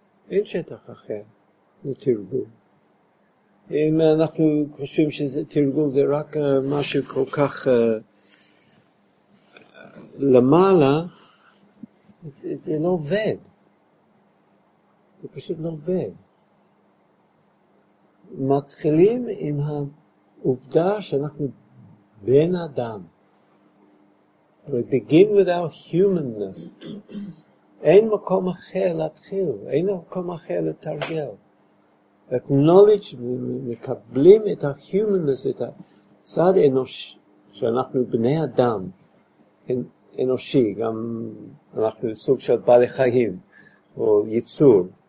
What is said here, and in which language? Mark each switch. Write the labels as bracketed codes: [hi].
[he] אין שטח אחר לתרגול. אם אנחנו חושבים שתרגול זה רק משהו כל כך למעלה, זה לא עובד. זה פשוט לא עובד. מתחילים עם העובדה שאנחנו בן אדם. [en] We begin with our humanness. [he] אין מקום אחר להתחיל. אין מקום אחר לתרגל. Acknowledge, מקבלים את ה-humanness, את הצד האנוש, שאנחנו בני אדם. אנושי, גם אנחנו סוג של בעלי חיים או ייצור.